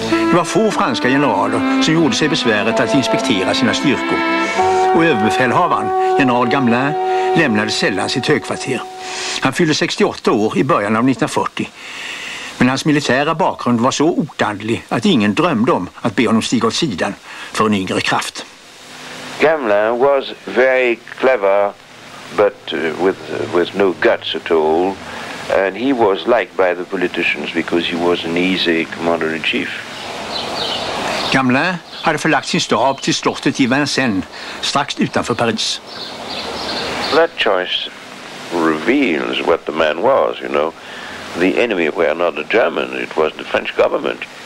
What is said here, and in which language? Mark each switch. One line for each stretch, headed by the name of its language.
Swedish: Det var få franska generaler som gjorde sig besväret att inspektera sina styrkor. Och överbefälhavaren, general Gamelin, lämnade sällan sitt högkvarter. Han fyllde 68 år i början av 1940. Men hans militära bakgrund var så otandlig att ingen drömde om att be honom stiga åt sidan för en yngre kraft.
English: Gamelin was very clever, but with no guts at all. And he was liked by the politicians because he was an easy commander-in-chief.
Swedish: Gamelin hade förlagt sin stab till slottet i Vincennes, strax utanför Paris.
English: That choice reveals what the man was, you know. The enemy were not the Germans, it was the French government.